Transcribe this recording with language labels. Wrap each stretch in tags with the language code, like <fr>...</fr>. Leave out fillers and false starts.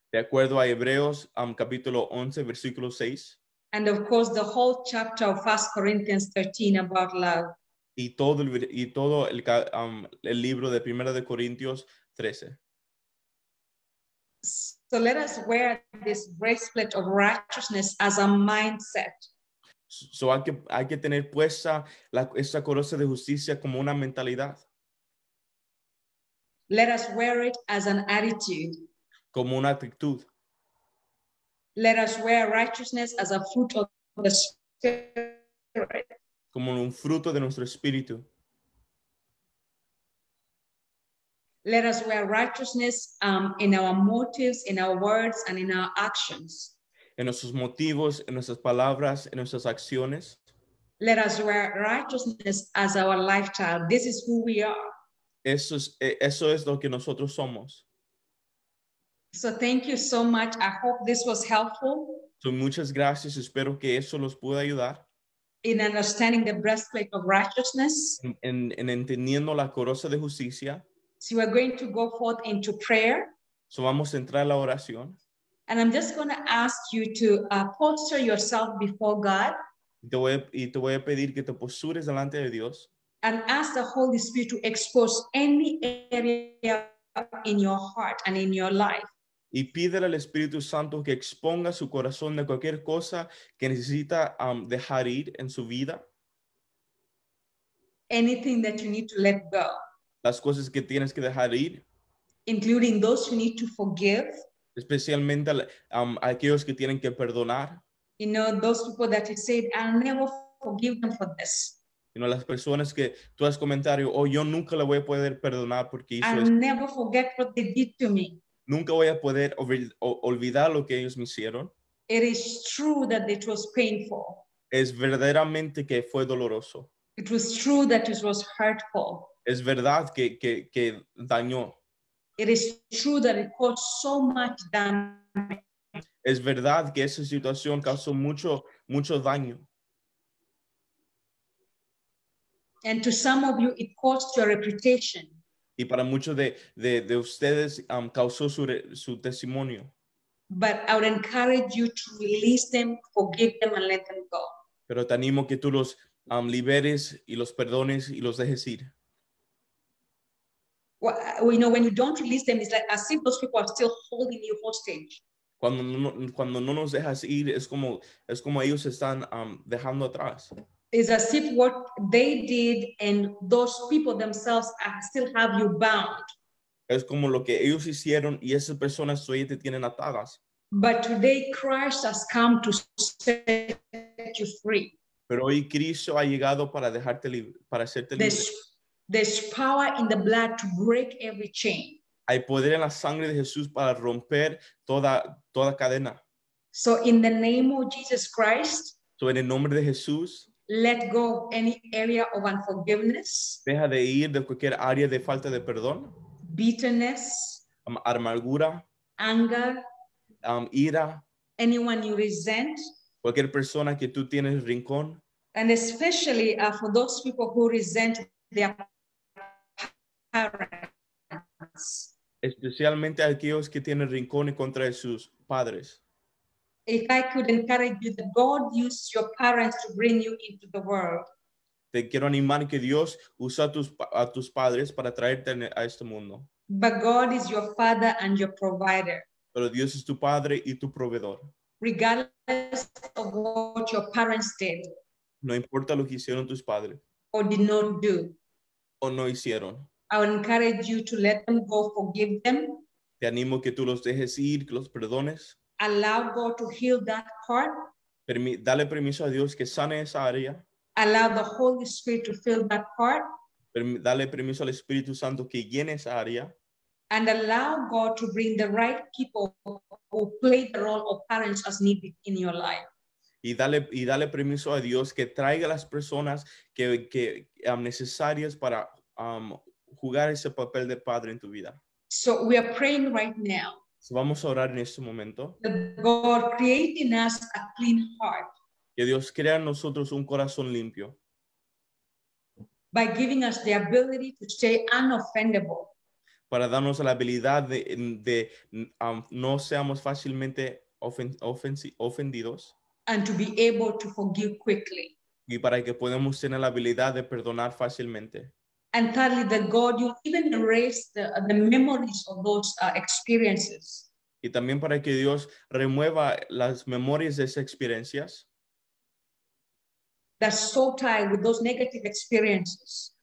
<es>De acuerdo a Hebreos, capítulo 11, versículo 6.</es> <en>And of course, the whole chapter of 1 Corinthians 13 about love.</en> <es>Y todo el libro de Primera de Corintios 13.</es> <en>So let us wear this breastplate of righteousness as a mindset.</en> <es>So hay que tener puesta esta coraza de justicia como una mentalidad.</es> <en>Let us wear it as an attitude.</en> <es>Como una actitud.</es> <en>Let us wear righteousness as a fruit of the Spirit.</en> <es>Como un fruto de nuestro espíritu.</es> <en>Let us wear righteousness in our motives, in our words, and in our actions.</en> <es>En nuestros motivos, en nuestras palabras, en nuestras acciones.</es> <en>Let us wear righteousness as our lifestyle. This is who we are.</en> <es>Eso es lo que nosotros somos.</es> <en>So thank you so much. I hope this was helpful.</en> <es>So muchas gracias. Espero que eso los pueda ayudar.</es> <en>In understanding the breastplate of righteousness.</en> <es>En entendiendo la coraza de justicia.</es> <en>So we're going to go forth into prayer.</en> <es>So vamos a entrar a la oración.</es> <en>And I'm just going to ask you to posture yourself before God.</en> <es>Y te voy a pedir que te postures delante de Dios.</es> <en>And ask the Holy Spirit to expose any area in your heart and in your life.</en> <es>Y pídele al Espíritu Santo que exponga su corazón de cualquier cosa que necesita dejar ir en su vida.</es> <en>Anything that you need to let go.</en> <es>Las cosas que tienes que dejar ir.</es> <en>Including those you need to forgive.</en> <es>Especialmente aquellos que tienen que perdonar.</es> <en>You know, those people that you said, I'll never forgive them for this. You know,</en> <es>las personas que tú has comentado, oh, yo nunca le voy a poder perdonar porque hizo</es> <en>I'll</en> <es>esto.</es> <en>Never forget what they did to me.</en> <es>Nunca voy a poder olvidar lo que ellos me hicieron.</es> <en>It is true that it was painful.</en> <es>Es verdaderamente que fue doloroso.</es> <en>It was true that it was hurtful.</en> <es>Es verdad que dañó.</es> <en>It is true that it caused so much damage.</en> <es>Es verdad que esa situación causó mucho, mucho daño.</es> <en>And to some of you, it caused your reputation.</en> <es>Y para muchos de ustedes causó su testimonio.</es> <en>But I would encourage you to release them, forgive them, and let them go.</en> <es>Pero te animo que tú los liberes y los perdones y los dejes ir.</es> <en>Well, you know, when you don't release them, it's like as if those people are still holding you hostage.</en> <es>Cuando no nos dejas ir, es como ellos están dejando atrás.</es> <en>It's as if what they did and those people themselves still have you bound.</en> <es>Es como lo que ellos hicieron y esas personas todavía te tienen atadas.</es> <en>But today Christ has come to set you free.</en> <es>Pero hoy Cristo ha llegado para dejarte libre, para hacerte libre.</es> <en>There's power in the blood to break every chain.</en> <es>Hay poder en la sangre de Jesús para romper toda cadena.</es> <en>So in the name of Jesus Christ.</en> <es>So en el nombre de Jesús.</es> <en>Let go of any area of unforgiveness.</en> <es>Deja de ir de cualquier área de falta de perdón.</es> <en>Bitterness.</en> <es>Amargura.</es> <en>Anger.</en> <es>Ira.</es> <en>Anyone you resent.</en> <es>Cualquier persona que tú tienes rincón.</es> <en>And especially for those people who resent their parents.</en> <es>Especialmente aquellos que tienen rincón en contra de sus padres.</es> <en>If I could encourage you, that God used your parents to bring you into the world.</en> <es>Te quiero animar que Dios usa a tus padres para traerte a este mundo.</es> <en>But God is your father and your provider.</en> <es>Pero Dios es tu padre y tu proveedor.</es> <en>Regardless of what your parents did.</en> <es>No importa lo que hicieron tus padres.</es> <en>Or did not do.</en> <es>O no hicieron.</es> <en>I would encourage you to let them go, forgive them.</en> <es>Te animo que tú los dejes ir, que los perdones.</es> <en>Allow God to heal that part.</en> <es>Dale permiso a Dios que sane esa área.</es> <en>Allow the Holy Spirit to fill that part.</en> <es>Dale permiso al Espíritu Santo que llene esa área.</es> <en>And allow God to bring the right people who play the role of parents as needed in your life.</en> <es>Y dale permiso a Dios que traiga las personas que necesarias para jugar ese papel de padre en tu vida.</es> <en>So we are praying right now. So</en> <es>vamos a orar en este momento.</es> <en>That God create in us a clean heart.</en> <es>Que Dios crea en nosotros un corazón limpio.</es> <en>By giving us the ability to stay unoffendable.</en> <es>Para darnos la habilidad de no seamos fácilmente ofendidos.</es> <en>And to be able to forgive quickly.</en> <es>Y para que podamos tener la habilidad de perdonar fácilmente.</es> <en>And thirdly, that God, you even erase the memories of those experiences.</en> <es>Y también para que Dios remueva las memorias de esas experiencias.</es> <en>That's so tied with those negative experiences.</en>